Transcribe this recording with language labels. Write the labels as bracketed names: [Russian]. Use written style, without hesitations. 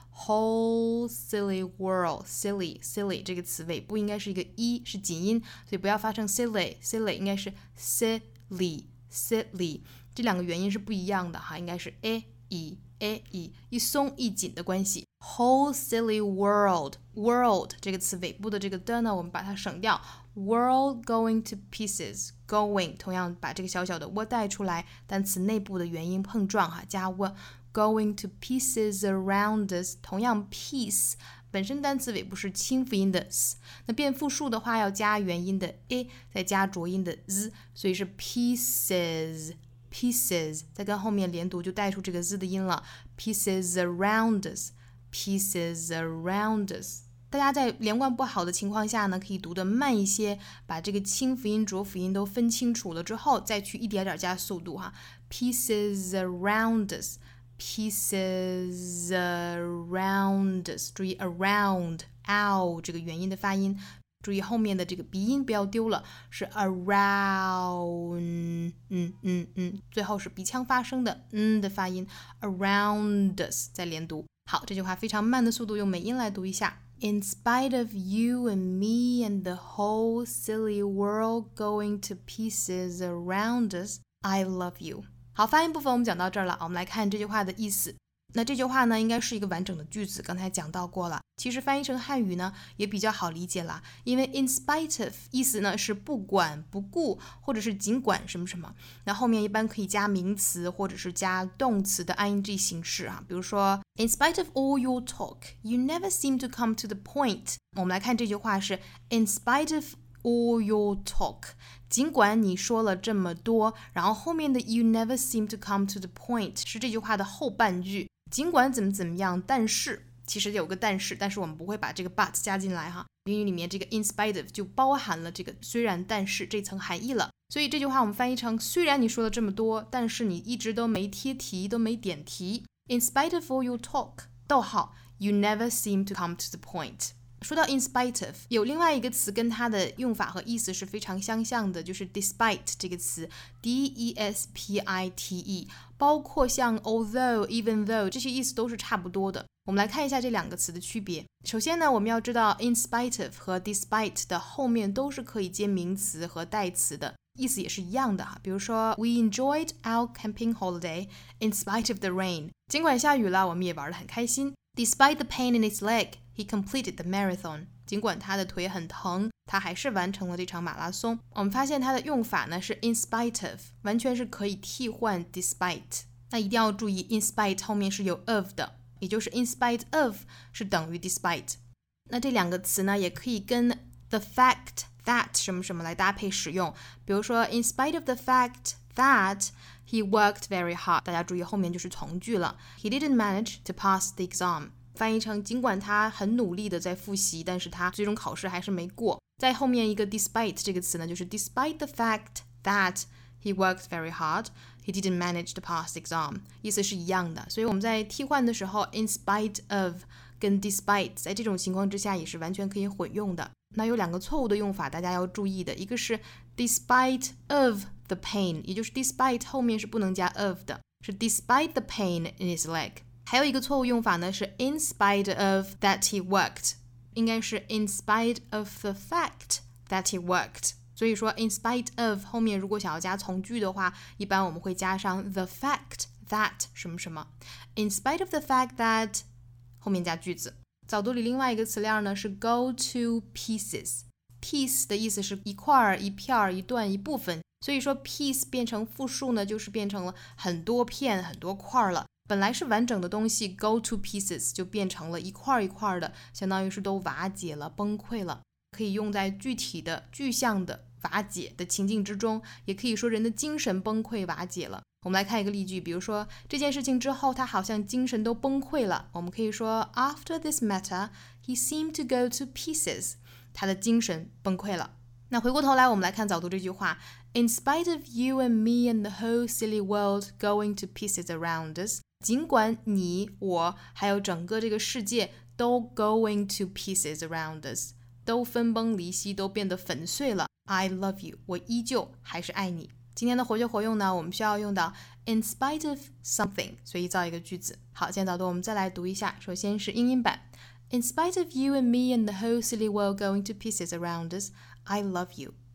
[Chinese] silly 这个词尾部应该是一个 e, 是紧音，所以不要发成 silly, 应该是 silly, 这两个元音是不一样的哈，应该是 a e 一松一紧的关系。 [English] whole silly world [Chinese] 这个词尾部的这个的呢，我们把它省掉， [English] world going to pieces, [Chinese] going 同样把这个小小的 w 带出来，单词内部的元音碰撞哈，加 w [English] going to pieces around us. [Chinese] 同样 piece 本身单词尾部是清辅音的 s， 那变复数的话要加元音的 a， 再加浊音的 z， 所以是 pieces。 Pieces， 再跟后面连读就带出这个 z 的音了。 [English] Pieces around us， pieces around us。 [Chinese] 大家在连贯不好的情况下呢，可以读得慢一些，把这个清辅音、浊辅音都分清楚了之后，再去一点点加速度哈。 [English] Pieces around us， pieces around us。 [Chinese] 注意 around， out 这个元音的发音，注意后面的这个鼻音不要丢了，是 around。最后是鼻腔发声的的发音 [English] around us [Chinese] 再连读。好，这句话非常慢的速度用美音来读一下。 [English] In spite of you and me and the whole silly world going to pieces around us, I love you. [Chinese] 好，发音部分我们讲到这儿了，我们来看这句话的意思。那这句话呢，应该是一个完整的句子，刚才讲到过了。其实翻译成汉语呢，也比较好理解了，因为 in spite of 意思呢是不管不顾，或者是尽管什么什么。那后面一般可以加名词或者是加动词的 ing 形式啊，比如说 [English] in spite of all your talk, you never seem to come to the point。 [Chinese] 我们来看这句话是 [English] in spite of all your talk， [Chinese] 尽管你说了这么多，然后后面的 [English] you never seem to come to the point [Chinese] 是这句话的后半句。尽管怎么怎么样，但是其实有个但是，但是我们不会把这个 but 加进来哈。英语里面这个 in spite of 就包含了这个虽然但是这层含义了。所以这句话我们翻译成虽然你说了这么多，但是你一直都没贴题，都没点题。 [English] In spite of all your talk [Chinese] 逗号 [English] You never seem to come to the point。 [Chinese] 说到 in spite of， 有另外一个词跟它的用法和意思是非常相像的，就是 despite 这个词 D-E-S-P-I-T-E， 包括像 although even though 这些意思都是差不多的。我们来看一下这两个词的区别。首先呢，我们要知道 in spite of 和 despite 的后面都是可以接名词和代词的，意思也是一样的。比如说 [English] We enjoyed our camping holiday in spite of the rain， [Chinese] 尽管下雨了我们也玩得很开心。 [English] Despite the pain in his leg he completed the marathon， [Chinese] 尽管他的腿很疼他还是完成了这场马拉松。我们发现它的用法呢是 in spite of， 完全是可以替换 despite。那一定要注意 in spite 后面是有 of 的，也就是 in spite of 是等于 despite。那这两个词呢也可以跟 the fact that 什么什么来搭配使用，比如说 [English] in spite of the fact that he worked very hard， [Chinese] 大家注意后面就是从句了， [English] he didn't manage to pass the exam， [Chinese] 翻译成尽管他很努力的在复习，但是他最终考试还是没过。在后面一个 [English] despite [Chinese] 这个词呢，就是 [English] despite the fact that he worked very hardHe didn't manage to pass the exam， [Chinese] 意思是一样的。所以我们在替换的时候 in spite of 跟 despite 在这种情况之下也是完全可以混用的。那有两个错误的用法大家要注意的，一个是 [English] despite of the pain， [Chinese] 也就是 despite 后面是不能加 of 的，是 [English] despite the pain in his leg。 [Chinese] 还有一个错误用法呢是 [English] in spite of that he worked， [Chinese] 应该是 [English] in spite of the fact that he worked。 [Chinese] 所以说 in spite of 后面如果想要加从句的话，一般我们会加上 the fact that 什么什么， [English] in spite of the fact that [Chinese] 后面加句子。早读里另外一个词量呢是 [English] go to pieces， [Chinese] piece 的意思是一块一片一段一部分，所以说 piece 变成复数呢就是变成了很多片很多块了，本来是完整的东西 go to pieces 就变成了一块一块的，相当于是都瓦解了崩溃了，可以用在具体的具象的瓦解的情境之中，也可以说人的精神崩溃瓦解了。我们来看一个例句，比如说这件事情之后他好像精神都崩溃了，我们可以说 [English] After this matter he seemed to go to pieces， [Chinese] 他的精神崩溃了。那回过头来我们来看早读这句话， [English] In spite of you and me and the whole silly world going to pieces around us， [Chinese] 尽管你我还有整个这个世界都 [English] going to pieces around us， [Chinese] 都分崩离析都变得粉碎了， [English] I love you， [Chinese] 我依旧还是爱你。今天的活学活用呢我们需要用到 [English] in spite of something， [Chinese] 所以造一个句子。好，今天早读我们再来读一下，首先是英音版。 [English] In spite of you and me and the whole silly world going to pieces around us， I love you。